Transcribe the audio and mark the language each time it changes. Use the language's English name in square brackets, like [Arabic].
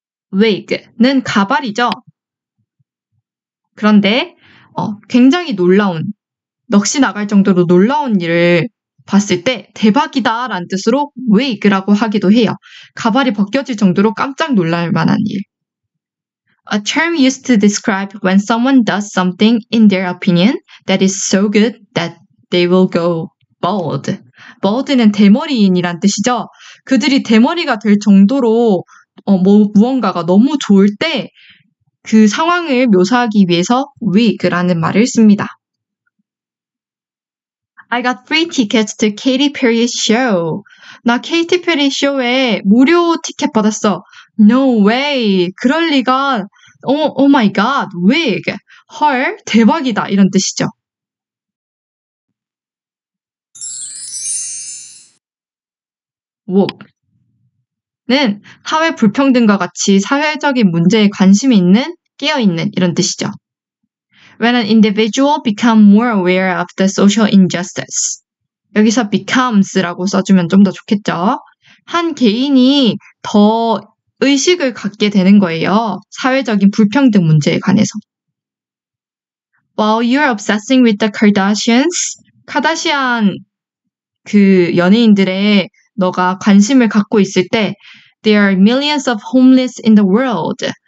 [Korean] wig는 가발이죠. 그런데 굉장히 놀라운, 넋이 나갈 정도로 놀라운 일을 봤을 때 대박이다 라는 뜻으로 wig라고 하기도 해요. 가발이 벗겨질 정도로 깜짝 놀랄 만한 일. [English] A term used to describe when someone does something in their opinion that is so good that they will go bald. [Korean] Bald는 대머리인이란 뜻이죠. 그들이 대머리가 될 정도로 무언가가 너무 좋을 때 그 상황을 묘사하기 위해서 wig라는 말을 씁니다. [English] I got free tickets to Katy Perry's show. [Korean] 나 Katy Perry 쇼에 무료 티켓 받았어. [English] No way. [Korean] 그럴 리가. [English] Oh my god, wig. [Korean] 헐, 대박이다. 이런 뜻이죠. woke는 사회 불평등과 같이 사회적인 문제에 관심이 있는, 깨어있는 이런 뜻이죠. [English] When an individual become more aware of the social injustice. [Korean] 여기서 becomes라고 써주면 좀더 좋겠죠. 한 개인이 더 의식을 갖게 되는 거예요. 사회적인 불평등 문제에 관해서. [English] While you're obsessing with the Kardashians, [Korean] 카다시안 그 연예인들의 너가 관심을 갖고 있을 때, [English] there are millions of homeless in the world.